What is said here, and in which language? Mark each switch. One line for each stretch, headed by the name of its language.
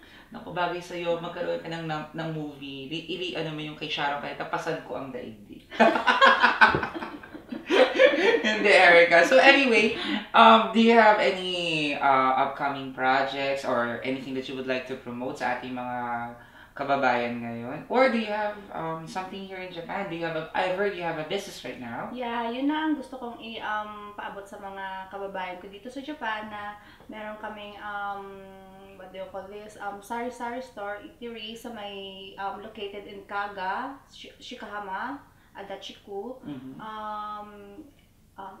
Filipino: Naku, bagay sa'yo, magkaroon ka ng movie. Ili, ano mo yung kay Sharon, kaya tapasan ko ang daigdig. Hindi, Erica.
English: So anyway, do you have any upcoming projects or anything that you would like to promote
Filipino: sa ating mga kababayan ngayon?
English: Or do you have something here in Japan? I heard you have a business right now.
Filipino: Yeah, yun na ang gusto kong paabot sa mga kababayan ko dito sa Japan na meron kaming
English: what do you call this?
Filipino: Sari-sari store, Itiri, sa may located in Kaga, Shikahama, Adachiku. Mm-hmm.